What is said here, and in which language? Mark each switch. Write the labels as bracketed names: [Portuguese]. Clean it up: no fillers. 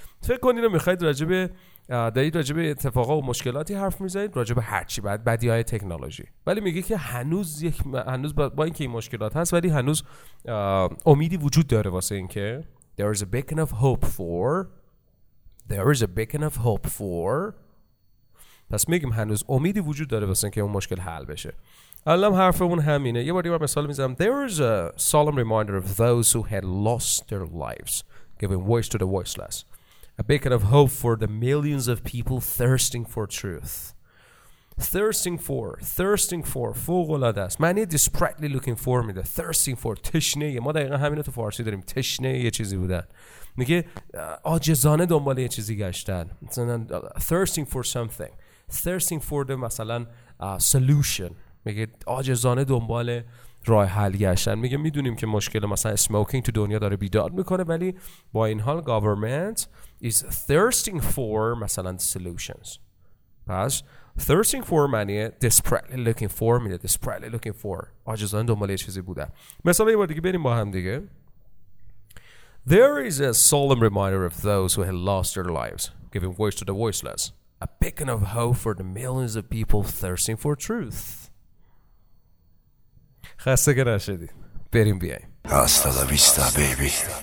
[Persian] فکر کنید رو میخواید راجبه دارید راجبه اتفاقا و مشکلاتی حرف میزنید، راجبه هرچی بعد بدی های تکنولوژی، ولی میگه که هنوز یک هنوز با اینکه این مشکلات هست ولی هنوز امیدی وجود داره واسه اینکه [English] there is a beacon of hope for. There is a beacon of hope for. [Persian] پس میگم هنوز امیدی وجود داره واسه اینکه اون مشکل حل بشه. الان حرفمون همینه. یه بار دیگه مثال میزنم. [English] There is a solemn reminder of those who had lost their lives, giving voice to the voiceless. A beacon of hope for the millions of people thirsting for truth. Thirsting for. [Persian] فوق‌العاده است. [English] معنی desperately looking for میده. Thirsting for. [Persian] تشنه. ما دقیقا همین رو تو فارسی داریم. تشنه یه چیزی بودن. میگه عاجزانه دنبال یه چیزی گشتن. [English] Thirsting for something. Thirsting for the مثلا solution. [Persian] میگه عاجزانه دنبال راه حل گشتن. میگه میدونیم که مشکل مثلا smoking تو دنیا داره بیداد میکنه، ولی با این حال [English] government is thirsting for [Persian] مثلا [English] solutions. [Persian] پس [English] thirsting for money, desperately looking for me, desperately looking for. [Persian] عاجزانه دنبال یه چیزی بودن. مثلا یه بار دیگه بریم با هم دیگه. [English] There is a solemn reminder of those who had lost their lives, giving voice to the voiceless. A beacon of hope for the millions of people thirsting for truth. [Persian] خسته که نشدی. بریم بیاییم. [Spanish] Hasta la vista, baby.